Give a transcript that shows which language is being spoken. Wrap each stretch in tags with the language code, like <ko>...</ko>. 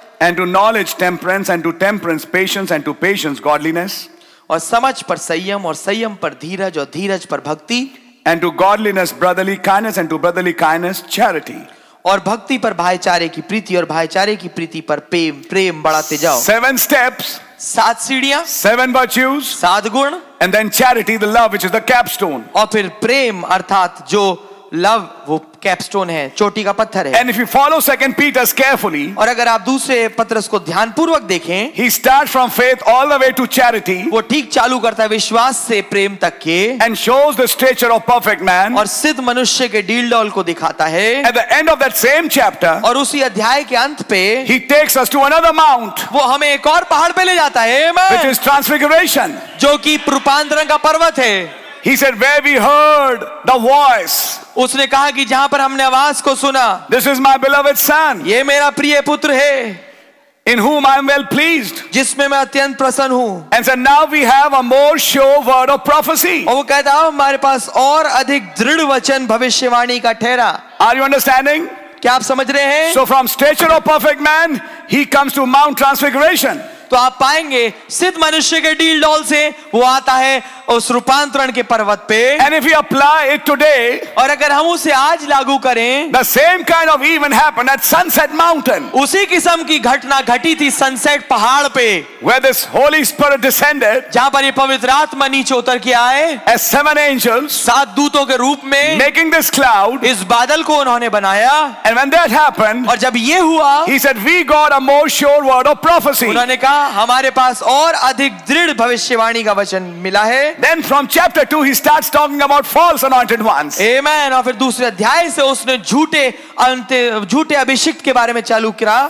<en>And to knowledge temperance, and to temperance patience, and to patience godliness.</en> <hi>और समझ पर संयम और संयम पर धीरज और धीरज पर भक्ति.</hi> <en>And to godliness brotherly kindness, and to brotherly kindness charity.</en> <hi>और भक्ति पर भाईचारे की प्रीति और भाईचारे की प्रीति पर प्रेम. प्रेम बढ़ाते जाओ.</hi> <en>Seven steps,</en> <hi>सात सीढ़ियां.</hi> <en>Seven virtues,</en> <hi>सात गुण.</hi> <en>And then charity, the love which is the capstone.</en> <hi>और फिर प्रेम अर्थात जो लव वो कैपस्टोन है चोटी का पत्थर है.</hi> <en>And if you follow Second Peter's carefully,</en> <hi>और अगर आप दूसरे पत्रस को ध्यानपूर्वक देखें,</hi> <en>he starts from faith all the way to charity,</en> <hi>वो ठीक चालू करता है विश्वास से प्रेम तक के,</hi> <en>and shows the stature of perfect man,</en> <hi>और सिद्ध मनुष्य के डील डॉल को दिखाता है,</hi> <en>at the end of that same chapter,</en> <hi>और उसी अध्याय के अंत पे,</hi> <en>he takes us to another mount,</en> <hi>वो हमें एक और पहाड़ पे ले जाता है, amen,</hi> <en>which is transfiguration,</en> <hi>जो कि रूपांतरण का पर्वत है.</hi> <en>He said, "Where we heard the voice."</en> <hi>उसने कहा कि जहाँ पर हमने आवाज को सुना.</hi> <en>This is my beloved son.</en> <hi>ये मेरा प्रिय पुत्र है.</hi> <en>In whom I am well pleased.</en> <hi>जिसमें मैं अत्यंत प्रसन्न हूँ.</hi> <en>And said, "Now we have a more sure word of prophecy."</en> <hi>और वो कहता है हमारे पास और अधिक दृढ़ वचन भविष्यवाणी का ठहरा.</hi> <en>Are you understanding?</en> <hi>क्या आप समझ रहे हैं?</hi> <en>So from stature of perfect man, he comes to Mount Transfiguration.</en> <hi>तो आप पाएंगे सिद्ध मनुष्य के डील डॉल से वो आता है उस रूपांतरण के पर्वत पे.</hi> <en>And if we apply it today,</en> <hi>और अगर हम उसे आज लागू करें,</hi> <en>the same kind of event happened at Sunset Mountain.</en> <hi>उसी किस्म की घटना घटी थी सनसेट पहाड़ पे,</hi> <en>where this Holy Spirit descended,</en> <hi>जहाँ पर ये पवित्र आत्मा नीचे उतर के आए,</hi> <en>as seven angels,</en> <hi>सात दूतों के रूप में,</hi> <en>making this cloud,</en> <hi>इस बादल को उन्होंने बनाया.</hi> <en>And when that happened,</en> <hi>और जब ये हुआ,</hi> <en>he said, we got a more sure word of prophecy.</en> <hi>उन्होंने कहा हमारे पास और अधिक दृढ़ भविष्यवाणी का वचन मिला है.</hi> <en>Then from chapter 2 he starts talking about false anointed ones. Amen.</en> <hi>और फिर दूसरे अध्याय से उसने झूठे अभिषिक्त के बारे में चालू किया.</hi>